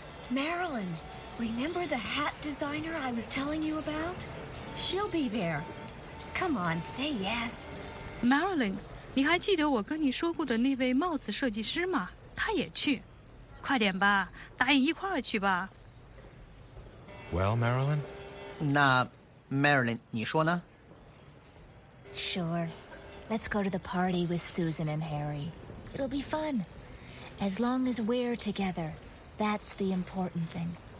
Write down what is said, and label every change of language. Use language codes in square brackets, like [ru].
[en] Marilyn, remember the hat designer I was telling you about? She'll be there. Come on, say yes. [zh] Marilyn, 你还记得我跟你说过的那位帽子设计师吗? 他也去。快点吧，答应一块儿去吧。 [en] Well, Marilyn? [zh] 那 Marilyn, 你说呢? [en] Sure. Let's go to the party with Susan and Harry. It'll be fun. As long as we're together, that's the important thing.